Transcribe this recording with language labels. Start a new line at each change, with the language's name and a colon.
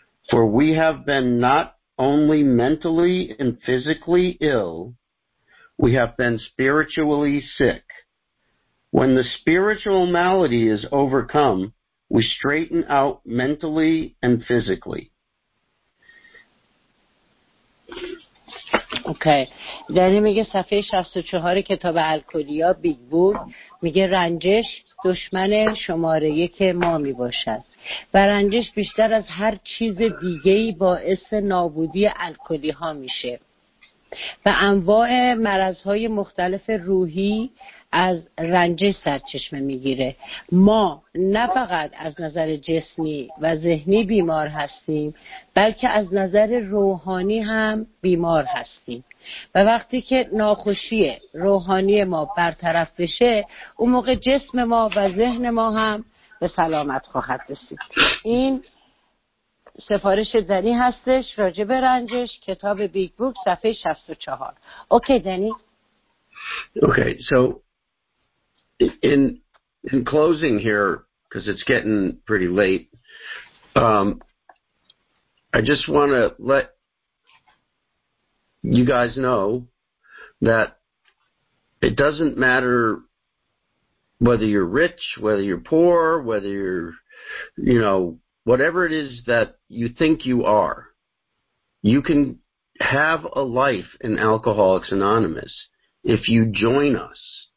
English: For we have been not only mentally and physically ill, we have been spiritually sick. When the spiritual malady is overcome, we straighten out mentally and physically. Okay.
Persian: دنی میگه صفحه 64 کتاب الکلیا بیگ بوک میگه رنجش دشمن شماره یک ما میباشد. و رنجش بیشتر از هر چیز دیگه‌ای باعث نابودی الکلی ها میشه. و انواع مرض‌های مختلف روحی از رنجش سرچشمه میگیره. ما نه فقط از نظر جسمی و ذهنی بیمار هستیم، بلکه از نظر روحانی هم بیمار هستیم. و وقتی که ناخوشی روحانی ما برطرف بشه، اون موقع جسم ما و ذهن ما هم به سلامت خواهد رسید. این سفارش دنی هستش راجع به رنجش کتاب بیگ بوک صفحه 64.
English: Okay Danny. Okay so in closing here because it's getting pretty late, I just want to let you guys know that it doesn't matter whether you're rich, whether you're poor, whether you're, you know, whatever it is that you think you are, you can have a life in Alcoholics Anonymous if you join us.